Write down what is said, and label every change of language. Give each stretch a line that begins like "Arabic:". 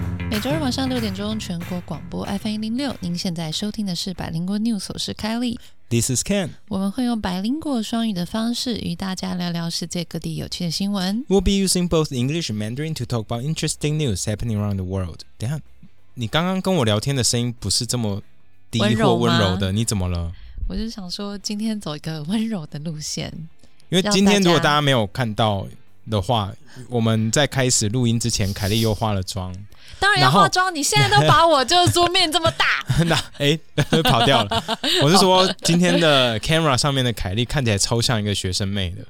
Chinese: 每周日晚上6点全国广播 FM106， 您现在收听的是百灵果 News， 我是凯莉。
English: This is Ken。
Chinese: 我们会用百灵果双语的方式与大家聊聊世界各地有趣的新闻。
English: We'll be using both English and Mandarin to talk about interesting news happening around the world。
Chinese: 等一下，你刚刚跟我聊天的声音不是这么低或温柔的，你怎么了？我就想说今天走一个温柔的路线，因为今天如果大家没有看到的话，我们在开始录音之前凯莉又化了妆。当然要化妆，你现在都把我就是桌面这么大那跑掉了。我是说今天的 camera 上面的凯莉看起来超像一个学生妹的，